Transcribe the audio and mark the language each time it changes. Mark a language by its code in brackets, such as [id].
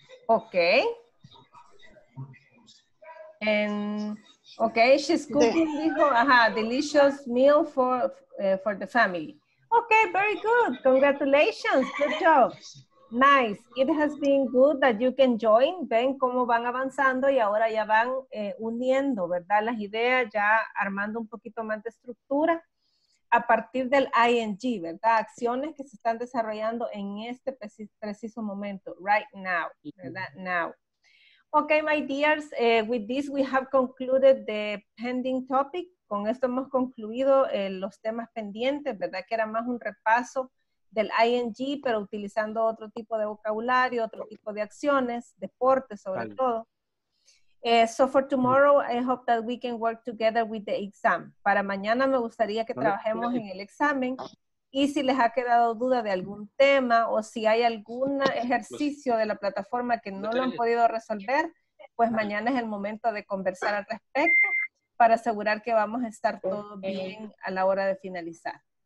[en] Okay. And okay, she's cooking delicious meal for the family. Okay, very good. Congratulations. Good job. Nice. It has been good that you can join. [es] Ven cómo van avanzando y ahora ya van uniendo, ¿verdad? Las ideas ya armando un poquito más de estructura a partir del ING, ¿verdad? Acciones que se están desarrollando en este preciso momento, [en] right now, [es] ¿verdad? [en] Now. Okay, my dears, with this we have concluded the pending topic. [es] Con esto hemos concluido los temas pendientes, ¿verdad? Que era más un repaso del ING, pero utilizando otro tipo de vocabulario, otro tipo de acciones, deportes sobre todo. [en] So for tomorrow, I hope that we can work together with the exam. [es] Para mañana me gustaría que trabajemos en el examen. Y si les ha quedado duda de algún tema o si hay algún ejercicio de la plataforma que no lo han podido resolver, pues mañana es el momento de conversar al respecto para asegurar que vamos a estar todos bien a la hora de finalizar.